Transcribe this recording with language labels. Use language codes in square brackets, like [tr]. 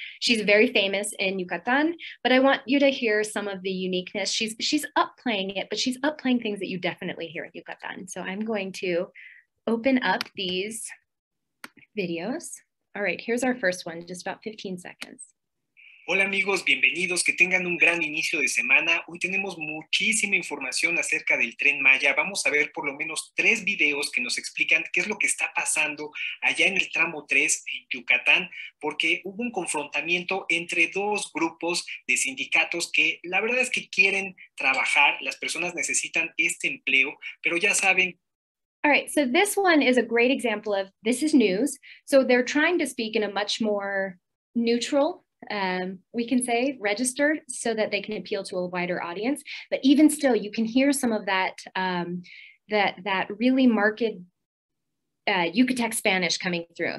[en] She's very famous in Yucatan, but I want you to hear some of the uniqueness. She's upplaying it, but she's upplaying things that you definitely hear in Yucatan. So I'm going to open up these videos. All right, here's our first one, just about 15 seconds. [es] Hola amigos, bienvenidos, que tengan un gran inicio de semana. Hoy tenemos muchísima información acerca del Tren Maya. Vamos a ver por lo menos 3 videos que nos explican qué es lo que está pasando allá en el tramo 3 en Yucatán, porque hubo un confrontamiento entre 2 grupos de sindicatos que la verdad es que quieren trabajar, las personas necesitan este empleo, pero ya saben. [en] All right, so this one is a great example of this is news. So they're trying to speak in a much more neutral, we can say, registered, so that they can appeal to a wider audience. But even still, you can hear some of that that really marked Yucatec Spanish coming through.